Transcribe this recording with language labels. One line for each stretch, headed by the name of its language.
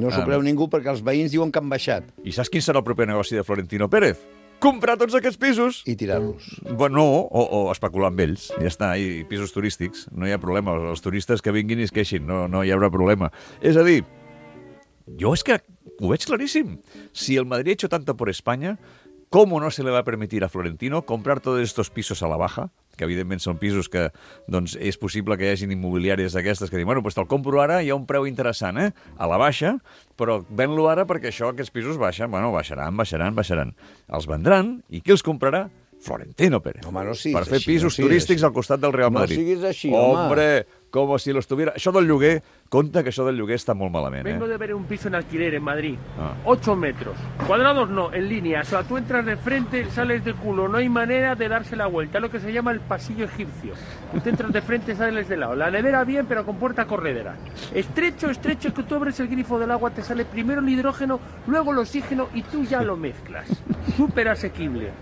Catalan: No s'ho creu ningú perquè els veïns diuen que han baixat. I saps quin serà el proper negoci de Florentino Pérez? Comprar tots aquests pisos. I tirar-los. Bueno, o especular amb ells. Ja està, i pisos turístics. No hi ha problema. Els turistes que vinguin i es queixin. No hi haurà problema. És a dir, jo és que ho veig claríssim.
Spanish: Si el Madrid ha hecho tanto por España, ¿cómo no se le va a permitir a Florentino comprar todos estos pisos a la baja?
Catalan: Que evidentment són pisos que, doncs, és possible que hi hagin immobiliàries d'aquestes que diuen, bueno, doncs te'l compro ara, hi ha un preu interessant, a la baixa, però ven-lo ara perquè això, aquests pisos baixen, bueno, baixaran. Els vendran, i qui els comprarà? Florentino Pérez. Home, no siguis així. Per fer pisos no turístics al costat del Real Madrid. No siguis així,
Spanish: hombre, com si lo estuviera...
Catalan: Això del lloguer, compte que això del lloguer està molt malament,
Spanish: Vengo de ver un piso en alquiler en Madrid. 8 metros. Cuadrados no, en línea. O sea, tú entras de frente, sales de culo. No hay manera de darse la vuelta. Lo que se llama el pasillo egipcio. Tú entras de frente, sales de lado. La nevera bien, pero con puerta corredera. Estrecho, estrecho, que tú abres el grifo del agua, te sale primero el hidrógeno, luego el oxígeno y tú ya lo mezclas. Súper asequible.